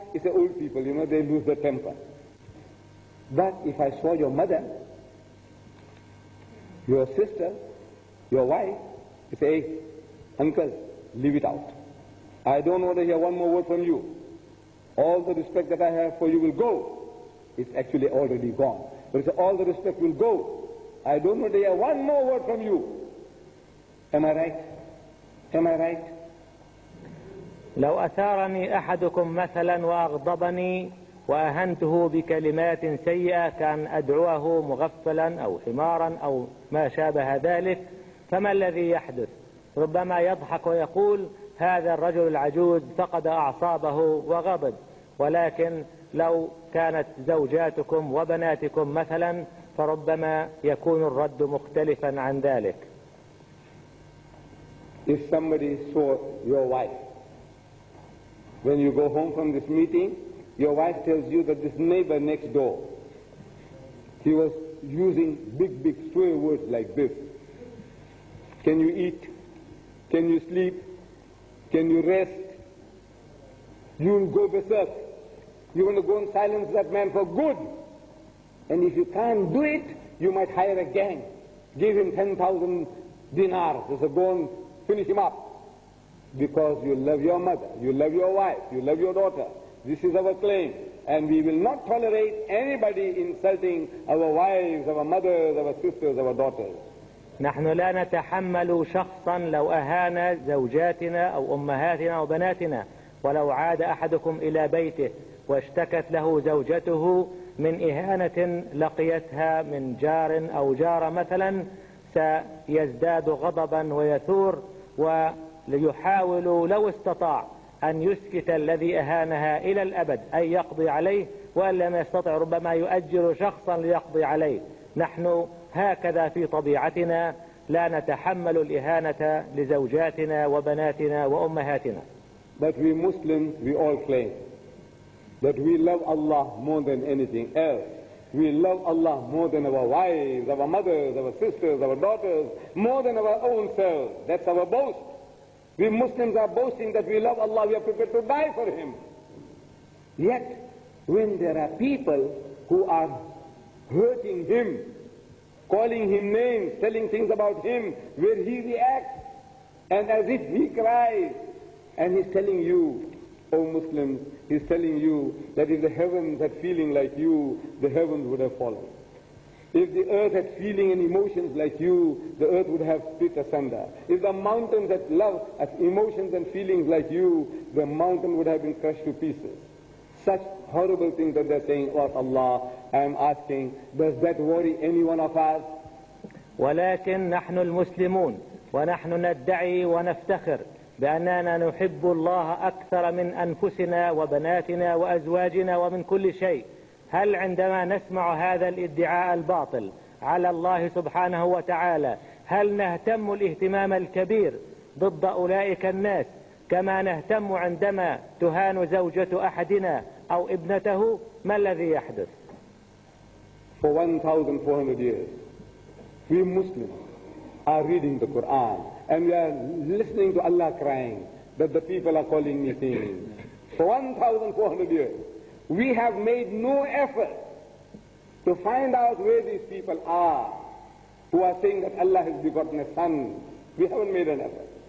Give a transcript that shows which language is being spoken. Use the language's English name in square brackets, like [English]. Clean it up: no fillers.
[English] It's the old people, you know, they lose their temper. But if I saw your mother, your sister, your wife, you say, hey, uncle, leave it out. I don't want to hear one more word from you. All the respect that I have for you will go. It's actually already gone. But it's all the respect will go. I don't want to hear one more word from you. Am I right? Am I right? [Arabic] لو أثارني أحدكم مثلا وأغضبني وأهنته بكلمات سيئة كان أدعوه مغفلا أو حمارا أو ما شابه ذلك، فما الذي يحدث؟ ربما يضحك ويقول هذا الرجل العجوز فقد أعصابه وغضب. ولكن لو كانت زوجاتكم وبناتكم مثلا فربما يكون الرد مختلفا عن ذلك. [English] If somebody saw your wife, when you go home from this meeting, your wife tells you that this neighbor next door, he was using big, big swear words like this. Can you eat? Can you sleep? Can you rest? You'll go berserk. You want to go and silence that man for good. And if you can't do it, you might hire a gang. Give him 10,000 dinars. So go and finish him up. Because you love your mother, you love your wife, you love your daughter. This is our claim. And we will not tolerate anybody insulting our wives, our mothers, our sisters, our daughters. [Arabic] نحن لا نتحمل شخصا لو أهان زوجاتنا أو أمهاتنا أو بناتنا. ولو عاد أحدكم إلى بيته واشتكت له زوجته من إهانة لقيتها من جار أو جارة مثلا سيزداد غضبا ويثور، وليحاول لو استطاع أن يسكت الذي أهانها إلى الأبد أي يقضي عليه، وأن لم يستطع ربما يؤجر شخصا ليقضي عليه. نحن هكذا في طبيعتنا لا نتحمل الإهانة لزوجاتنا وبناتنا وأمهاتنا. [English] But we Muslims, we all claim that we love Allah more than anything else. We love Allah more than our wives, our mothers, our sisters, our daughters, more than our own selves. That's our boast. We Muslims are boasting that we love Allah, we are prepared to die for Him. Yet, when there are people who are hurting Him, calling Him names, telling things about Him, where He reacts, and as if He cries, and He's telling you, O Muslims, He's telling you that if the heavens had feeling like you, the heavens would have fallen. If the earth had feeling and emotions like you, the earth would have split asunder. If the mountains had love, had emotions and feelings like you, the mountain would have been crushed to pieces. Such horrible things that they're saying, oh Allah, I am asking, does that worry any one of us? [Arabic] ولكن نحن المسلمون ونحن ندعي ونفتخر بأننا نحب الله أكثر من أنفسنا وبناتنا وأزواجنا ومن كل شيء. هل عندما نسمع هذا الادعاء الباطل على الله سبحانه وتعالى هل نهتم الاهتمام الكبير ضد أولئك الناس كما نهتم عندما تهان زوجة أحدنا أو ابنته؟ ما الذي يحدث؟ [English] For 1400 years we Muslims are reading the Quran and we are listening to Allah crying that the people are calling me things. For 1400 years we have made no effort to find out where these people are who are saying that Allah has begotten a son. We haven't made an effort.